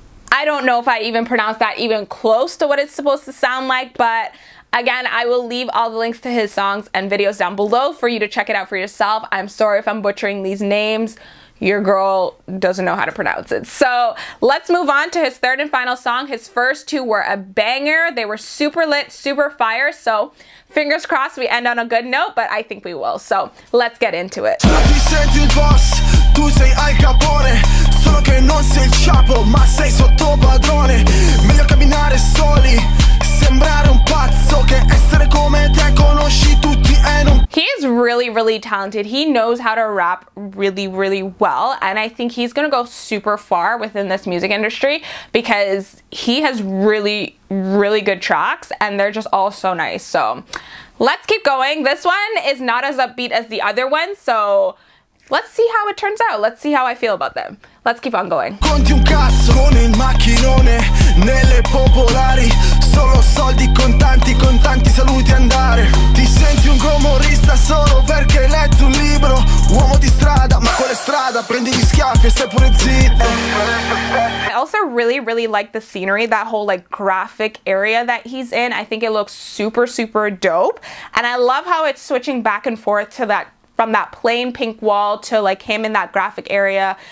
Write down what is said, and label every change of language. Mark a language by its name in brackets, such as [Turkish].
[English] I don't know if I even pronounced that even close to what it's supposed to sound like, but again, I will leave all the links to his songs and videos down below for you to check it out for yourself. I'm sorry if I'm butchering these names. Your girl doesn't know how to pronounce it. So let's move on to his third and final song. His first two were a banger. They were super lit, super fire. So fingers crossed we end on a good note, but I think we will. So let's get into it. [Italian] Tu sei al capone, solo che non sei il capo, ma sei sotto padrone. Meglio camminare soli, sembrare un pazzo che essere come te, conosci tutti e non. [English] He is really, really talented. He knows how to rap really, really well. And I think he's gonna go super far within this music industry because he has really, really good tracks and they're just all so nice. So let's keep going. This one is not as upbeat as the other one, so let's see how it turns out. Let's see how I feel about them. Let's keep on going. [Italian] Conti un cazzo con il macchinone nelle popolari. Solo soldi con tanti saluti andare. Ti senti un gomorrista solo perché hai letto un libro. Uomo di strada, ma quale strada? Prendi gli schiaffi e sei pure zitto. [English] I also really, really like the scenery, that whole like graphic area that he's in. I think it looks super, super dope. And I love how it's switching back and forth to that, from that plain pink wall to like him in that graphic area.